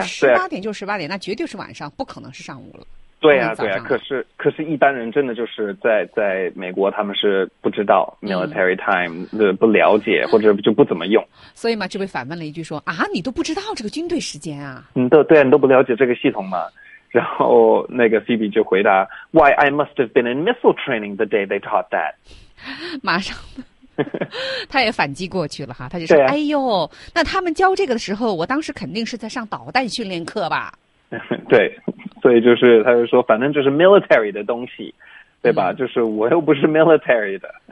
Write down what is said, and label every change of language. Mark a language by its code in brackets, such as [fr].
[zh] 18点就是18点，那绝对是晚上，不可能是上午了，对啊，对啊，可是一般人真的就是在美国，他们是不知道 military time 的、嗯、不了解或者就不怎么用，所以嘛，这位反问了一句说啊，你都不知道这个军队时间啊？嗯，对啊，你都不了解这个系统吗？然后那个 [en] Phoebe [zh] 就回答 [en] ，Why I must have been in missile training the day they taught that。 [zh] 马上，他也反击过去了哈，他就说、啊：“ 哎呦，那他们教这个的时候，我当时肯定是在上导弹训练课吧？” 对，所以就是他就说，反正就是 military 的东西，对吧？嗯、就是我又不是 military 的，